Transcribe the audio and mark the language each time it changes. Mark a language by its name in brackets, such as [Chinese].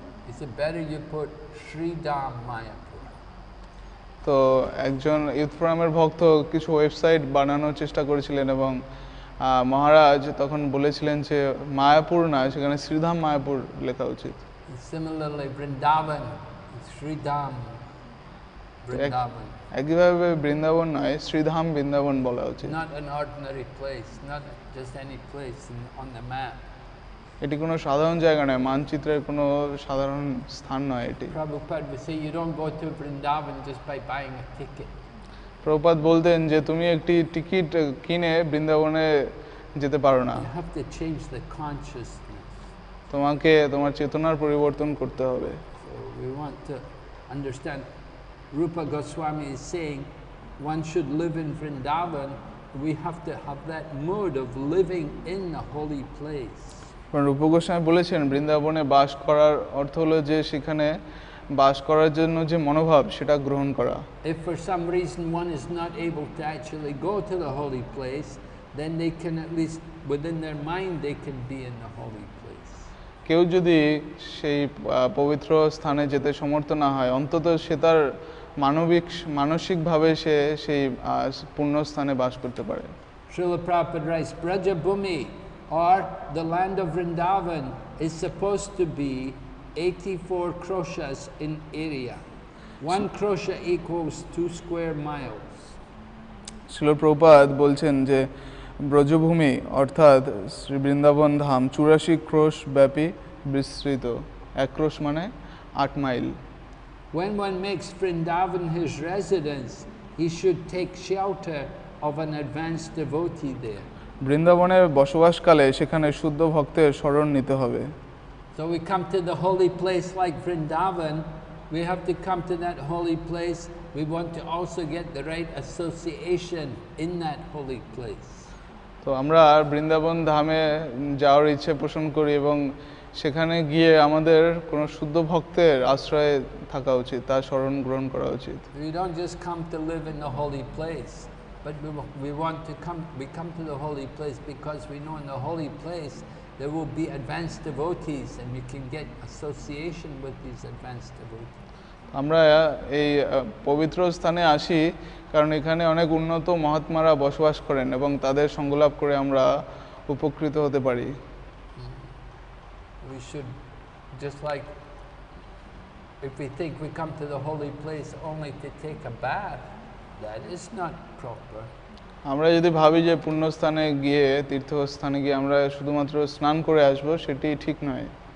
[English] He said, better you put Sridham Mayapur. [Bangla] So, একজন Youth Forum-এর ভক্ত কিছু ওয়েবসাইট বানানোর চেষ্টা করেছিলেন এবং মহারাজ তখন বলেছিলেন যে মায়াপুর না সেখানে শ্রীধাম মায়াপুর লেখা উচিত [English] Similarly, Vrindavan, Sridham, Vrindavan. [Bangla] একইভাবে বৃন্দাবন নয় শ্রীধাম বৃন্দাবন বলা উচিত [English] not an ordinary place not just any place on the map [Bangla] এটি কোনো সাধারণ জায়গা নয় মানচিত্রের কোনো সাধারণ স্থান নয় এটি [English] Prabhupada would say you don't go to Vrindavan just by buying a ticket [Bangla] Prabhupada বলতেন যে তুমি একটি টিকিট কিনে বৃন্দাবনে যেতে পারো না [English] you have to change the consciousness [Bangla] তোমাকে তোমার চেতনার পরিবর্তন করতে হবে [English] we want to understand Rupa Goswami is saying one should live in Vrindavan we have to have that mood of living in the holy place when [Bangla] Rupa Goswami বলেছেন বৃন্দাবনে বাস করার অর্থ হলো যে সেখানে বাস করার জন্য যে মনোভাব সেটা গ্রহণ করা [English] if for some reason one is not able to actually go to the holy place then they can at least within their mind they can be in the holy place [Bangla] কেউ যদি সেই পবিত্র স্থানে যেতে সমর্থ না হয় অন্তত সে তার মানসিকভাবে সে সেই পূর্ণ স্থানে বাস করতে পারে [English] Srila Prabhupada writes, Braja Bhumi or the land of Vrindavan is supposed to be 84 kroshas in area. One krosha equals 2 square miles. [Bangla] Srila Prabhupada বলছেন যে ব্রজভূমি অর্থাৎ শ্রী বৃন্দাবন ধাম 84 ক্রোশ ব্যাপী বিস্তৃত 1 ক্রোশ মানে 8 mile [English] When one makes Vrindavan his residence, he should take shelter of an advanced devotee there. [Bangla] বৃন্দাবনে বসবাসকালে সেখানে শুদ্ধ ভক্তের শরণ নিতে হবে. [English] So we come to the holy place like Vrindavan, we have to come to that holy place, we want to also get the right association in that holy place. [Bangla] তো আমরা বৃন্দাবন ধামে যাওয়ার ইচ্ছে পোষণ করি এবং সেখানে গিয়ে আমাদের কোনো শুদ্ধ ভক্তের আশ্রয়ে থাকা উচিত তার শরণ গ্রহণ করা উচিত [English] We don't just come to live in the holy place but we come to the holy place because we know in the holy place there will be advanced devotees and we can get association with these advanced devotees [Bangla] আমরা এই পবিত্র স্থানে আসি কারণ এখানে অনেক উন্নত মহাত্মারা বসবাস করেন এবং তাদের সঙ্গলাভ করে আমরা উপকৃত হতে পারি [English] We should just like if we think we come to the holy place only to take a bath that is not proper [Bangla] আমরা যদি ভাবি যে পূর্ণ স্থানে গিয়ে তীর্থস্থানে গিয়ে আমরা শুধুমাত্র স্নান করে আসব সেটি ঠিক নয়